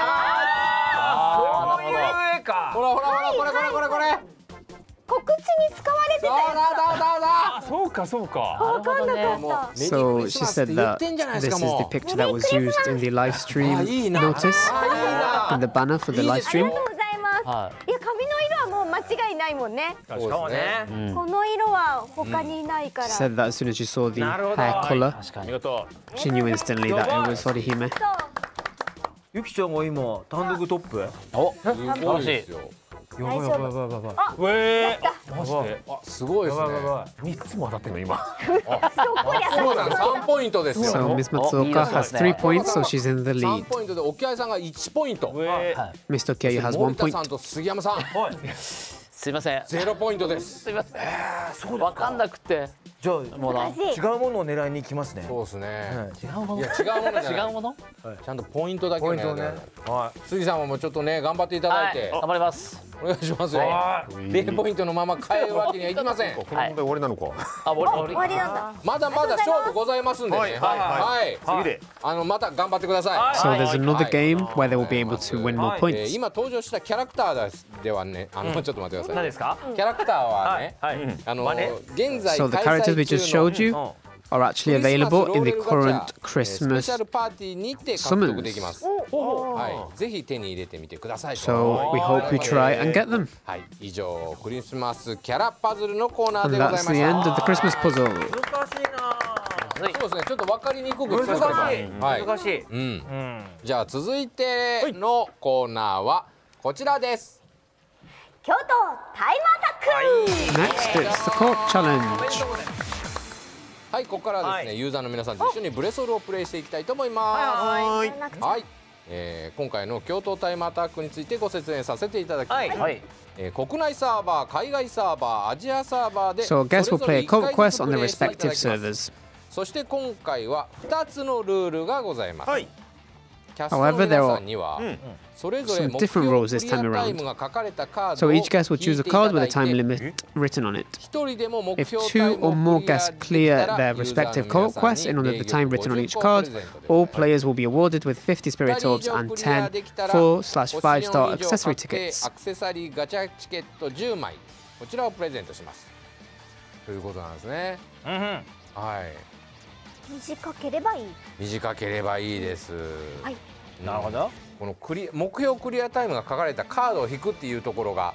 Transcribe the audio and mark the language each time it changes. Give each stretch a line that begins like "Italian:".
Japanese: ほらほらほら、これこれこれこれ、はいはい、告知に使われてたやつだ。そうだそうだそうだ。あ、そうかそうか、分かんなかった、ね、
English: So she said that this is the picture that was used in the live stream notice in the banner for the live stream。
Japanese: ありがとうございます。いや、髪の色はもう間違いないもんね。そうですね、この色は他にいないから。
English: She said that as soon as she saw the hair color。
Japanese: 見事。
English: She knew instantly that it was Orihime。
Japanese: ゆきちゃんが今単独トップ。お、すごいですよ。やばいやばいやばい。うえ、マジで。あ、すごいですね。やばいやばい。 3つも当たってるの今。あ、そこやった。松岡3ポイントですよ。
English: So Miss Matsuoka has 3 points, so she's in the lead.
Japanese: 3ポイントで沖合さんが1ポイント。うえ、
English: Mr. Kei has 1 point. 森田
Japanese: さんと杉山さん。はい。すいません。ゼロポイントです。すいません。そうですか。分かんなくて。じゃあもう違うものを狙いに行きますね。そうですね。はい、違うもの。いや違うものじゃない。違うもの、はい。ちゃんとポイントだけね。ポイントね。はい。杉さんももうちょっとね頑張っていただいて。はい、頑張ります。お願いしますよ。零ポイントのまま帰るわけにはいきません。この問題終わりなのか。あ、終わり。終わりなんだ。まだまだ勝負ございますんでね。はいはいはい。次で。あの、また頑張ってください。
English: So there's another game where they will be able to win more points。
Japanese: 今登場したキャラクターですではね、あの、ちょっと待ってください。何ですか？キャラクターはね、あの、現在開催中の。
English: So the characters we just showed you are actually available in the current Christmas summons.
Japanese: ぜひ手に入れてみてください。
English: So we hope you try and get them.
Japanese: 以上、クリスマスキャラパズルのコーナーでございました
English: 。 That's the end of the Christmas puzzle.
Japanese: 難しいな。そうですね、ちょっと分かりにくく難しい、はい、難しい、うん、じゃあ続いてのコーナーはこちらです。京都タイムアタック。
English: Next it's the court challenge。
Japanese: はい、ここからはですね、はい、ユーザーの皆さんと一緒にブレソールをプレイしていきたいと思います。はい、はい、今回の京都タイムアタックについてご説明させていただきます。はい、国内サーバー、海外サーバー、アジアサーバーで、
English: So guests will play a court quest on the respective servers。
Japanese: そして今回は2つのルールがございます。はい、キャストの皆さんにはそれぞれ目標クリアタイムが書かれたカードを引いていただいて、一人でも目標タイムをクリアできたら、
English: If two or more guests clear their respective court quests in under the time written on each card, all players will be awarded with 50 spirit orbs and 10 4/5 star accessory tickets.
Japanese: アクセサリーガチャチケット10枚、こちらをプレゼントします。ということなんですね。うん、はい。短ければいい。短ければいいです。はい。なるほど。このクリ目標クリアタイムが書かれたカードを引くっていうところが、